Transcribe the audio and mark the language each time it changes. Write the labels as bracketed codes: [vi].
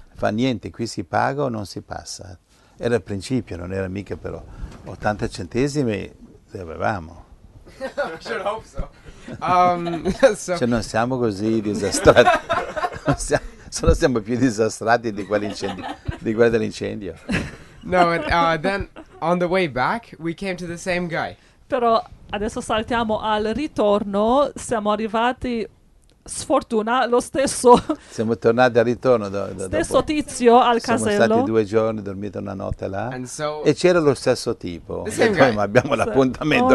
[it] Fa niente, qui si paga o non si passa. Era il principio, non era mica però. 80 centesimi li avevamo. [en] I should hope so. [it] Cioè non siamo così disastrati, siamo più disastrati di quell'incendio, di quello dell'incendio. [en] No, but, then on the way back we came to the same guy. [it] Però adesso saltiamo al ritorno, siamo arrivati sfortuna lo stesso. Siamo tornati al ritorno. Stesso dopo. Tizio al casello. Siamo stati due giorni, dormito una notte là. [en] And so, [it] e c'era lo stesso tipo. E poi, ma abbiamo l'appuntamento